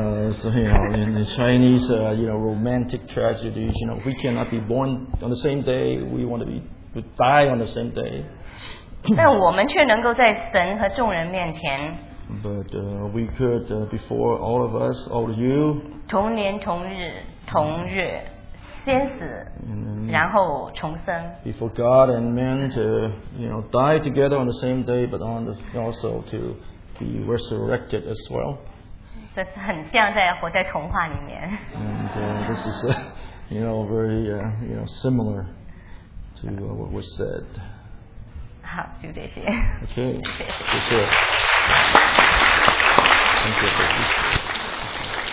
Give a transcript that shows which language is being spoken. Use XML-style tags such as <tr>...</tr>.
<en>所以in the Chinese, romantic tragedies, we cannot be born on the same day, we want to be die on the same day.</en> <zh>但我们却能够在神和众人面前。</zh> <en>But we could before all of us, all of you.</en> <zh>同年同日同月。先死</zh> <en>then,</en> <zh>然后重生</zh> <en>before God and man to die together on the same day but on the, also to be resurrected as well</en> <zh>这是很像在活在童话里面</zh> <en>and this is very similar to what was said</en> <zh>好就这些</zh> <en>OK</en> <zh>谢谢</zh> <en>Thank you, thank you.</en>